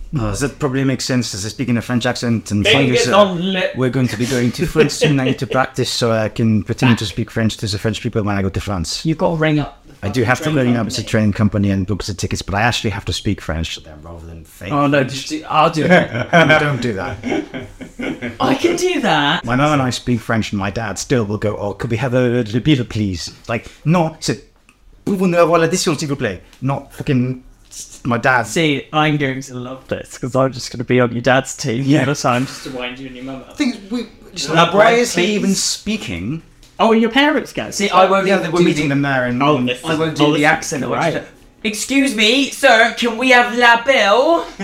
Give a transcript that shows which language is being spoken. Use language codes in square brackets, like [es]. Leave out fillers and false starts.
[en] Oh, that probably makes sense, as I speak in a French accent, and we're going to be going to France soon. I need to practice so I can pretend to speak French to the French people when I go to France. You've got to ring up. I do have to ring up as a train company and book the tickets, but I actually have to speak French to them rather than fake. Oh, no, I'll do it. Don't do that. I can do that. My mum and I speak French, and my dad still will go, oh, could we have a little bit of please? Like, no, [fr] c'est pouvons-nous avoir l'addition, s'il vous plaît? [en] Not fucking... My dad. See, I'm going to love this because I'm just going to be on your dad's team all the time. Just to wind you and your mum up. I think we just like, why is he even speaking? Oh, and your parents go. See, I won't be able to. We're meeting them there, and I won't do the accent. Excuse me, sir, can we have la bill?